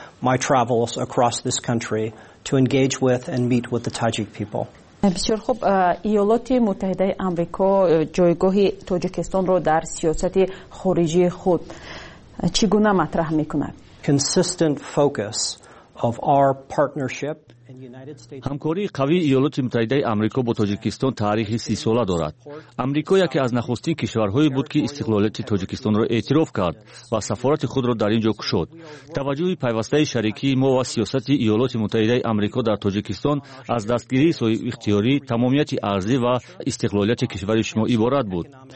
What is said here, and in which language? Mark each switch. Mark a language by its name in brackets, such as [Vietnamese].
[English] My travels across this country to engage with and meet with the Tajik people. [Persian] بسیار خوب، ایالاتی متحده آمریکا جایگاهی تاجیکستان را در سیاست خارجی خود چگونه مطرح میکند؟ [English] Consistent focus of our partnership in United States. [Persian] همکاری قوی ایالات متحده آمریکا با تاجیکستان تاریخی 30 ساله دارد. آمریکا یکی از نخستین کشورهایی بود که استقلالیت تاجیکستان را اعتراف کرد و سفارت خود را در اینجا گشود. توجه پیوسته شریکی ما و سیاست ایالات متحده آمریکا در تاجیکستان از دستگیری صاحب اختیاری تمامیت ارضی و استقلالیت کشور شما عبارت بود.